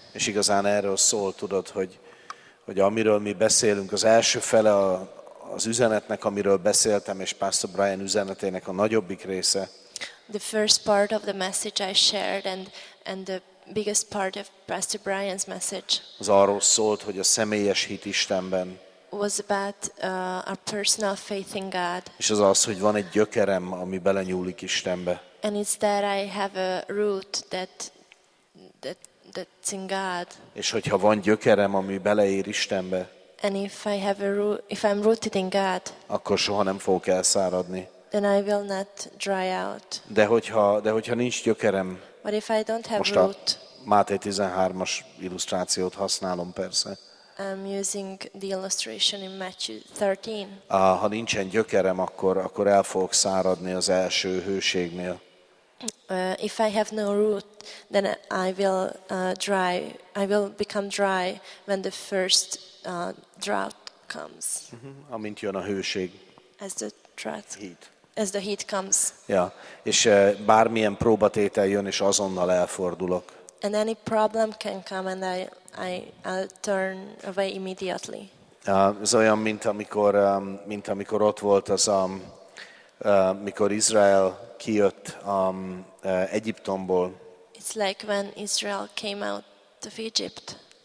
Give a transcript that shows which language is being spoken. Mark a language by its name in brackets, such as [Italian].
[Hungarian] És igazán erről szól, tudod, hogy amiről mi beszélünk, az első fele az üzenetnek, amiről beszéltem, és Pastor Brian üzenetének a nagyobbik része. [English] The first part of the message I shared and the biggest part of Pastor Brian's message [Hungarian] az arról szólt, hogy a személyes hit Istenben [English] was about our personal faith in God. [Hungarian] És az az, hogy van egy gyökerem, ami belenyúlik Istenbe. [English] And it's that I have a root that's in God. [Hungarian] És hogyha van gyökerem, ami beleér Istenbe, [English] and if I'm rooted in God, [Hungarian] akkor soha nem fogok elszáradni. [English] Then I will not dry out. [Hungarian] De hogyha nincs gyökerem. [English] But if I don't have [Hungarian] most [English] root. [Hungarian] Máté 13-as illusztrációt használom persze. [English] I'm using the illustration in Matthew 13. [Hungarian] Ha nincsen gyökerem, akkor el fogok száradni az első hőségnél. [English] If I have no root, then I will dry. I will become dry when the first drought comes. [Hungarian] Amint jön a hőség. [English] As the heat. As the heat comes. [Hungarian] Ja, és bármilyen próbatétel jön, és azonnal elfordulok. [English] And any problem can come and I'll turn away immediately. [Hungarian] Ez olyan, mint amikor ott volt az mikor Izrael kijött Egyiptomból. [English] It's like when Israel came out of Egypt.